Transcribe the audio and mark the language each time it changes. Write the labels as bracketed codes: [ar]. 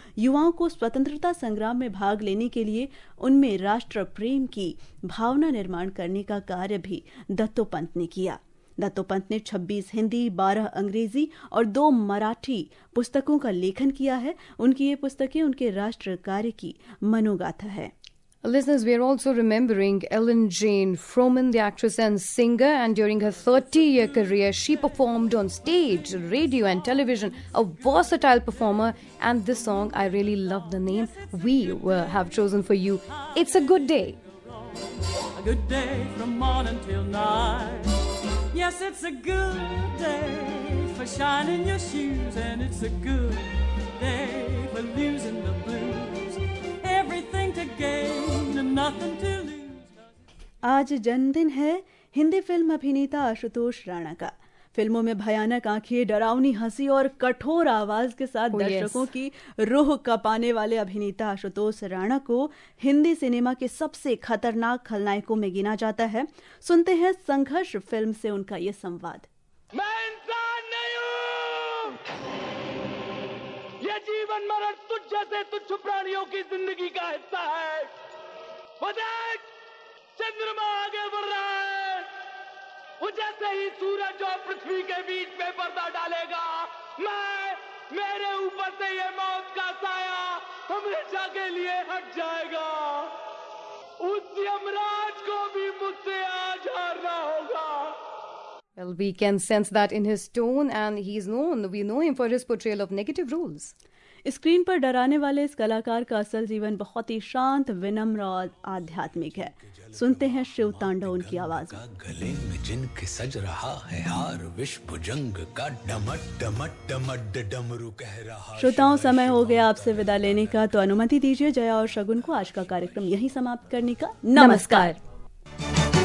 [hi] युवाओं को स्वतंत्रता संग्राम में भाग लेने के लिए उनमें राष्ट्र प्रेम की भावना निर्माण करने का कार्य भी दत्तोपंत ने किया। दत्तोपंत ने 26 हिंदी, 12 अंग्रेजी और 2 मराठी पुस्तकों का लेखन किया है। उनकी ये पुस्तकें उनके राष्ट्र कार्य की मनोगाथा है। [en] Listeners, we are also remembering Ellen Jane Froman, the actress and singer. And during her 30-year career, she performed on stage, radio and television, a versatile performer. And this song, I really love the name we have chosen for you. It's a good day. A good day from morning till night. Yes, it's a good day for shining your shoes, and it's a good day for losing the blues. Everything to gain and nothing to lose. [hi] आज जन्मदिन है Hindi film अभिनेता आशुतोष राणा का। फिल्मों में भयानक आंखें, डरावनी हंसी और कठोर आवाज के साथ दर्शकों की रूह कपाने वाले अभिनेता आशुतोष राणा को हिंदी सिनेमा के सबसे खतरनाक खलनायकों में गिना जाता है। सुनते हैं संघर्ष फिल्म से उनका ये संवाद। मैं इंसान नहीं हूँ, ये जीवन मरण तुझ जैसे तुच्छ प्राणियों की जिंदगी का हिस्सा है। वो देख चंद्रमा आगे बढ़ रहा है, जैसे ही सूरज और पृथ्वी के बीच में पर्दा डालेगा, मैं मेरे ऊपर से ये मौत का साया हमेशा के लिए हट जाएगा। उस यमराज को भी मुझसे आज हारना होगा। [en] Well, we can sense that in his tone, and he's known, we know him for his portrayal of negative roles. [hi] Screen पर डराने वाले इस कलाकार का असल जीवन बहुत ही शांत, विनम्र और आध्यात्मिक है। सुनते हैं शिव तांडव उनकी आवाज। गले में जिनके सज रहा है हार, विश्व भुजंग का डमट डमट डमट डमरू कह रहा। श्रोताओं, समय हो गया आपसे विदा लेने का, तो अनुमति दीजिए जया और शगुन को आज का कार्यक्रम यहीं समाप्त करने का। नमस्कार, नमस्कार।